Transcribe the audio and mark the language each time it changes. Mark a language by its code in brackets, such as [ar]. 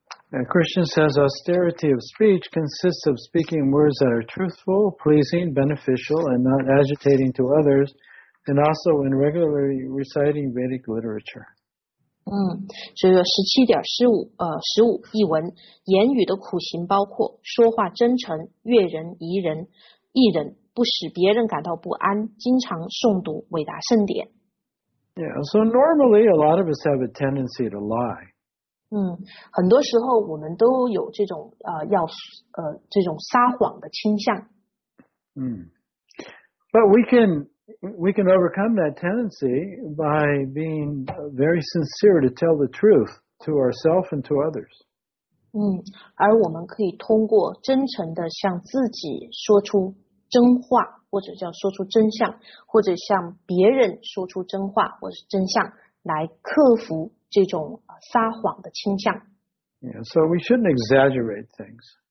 [en] And Krishna says austerity of speech consists of speaking words that are truthful, pleasing, beneficial, and not agitating to others, and also in regularly reciting Vedic literature. [zh] 所以17.15译文，言语的苦行包括说话真诚，悦人宜人，益人，不使别人感到不安，经常诵读伟达圣典。 [en] Yeah, so normally a lot of us have a tendency to lie. [zh] 很多时候我们都有这种这种撒谎的倾向。 [en] But we can overcome that tendency by being very sincere to tell the truth to ourselves and to others. [zh] 而我们可以通过真诚的向自己说出真话，或者叫说出真相，或者向别人说出真话或是真相，来克服这种撒谎的倾向。 [en] Yeah, so we shouldn't exaggerate things.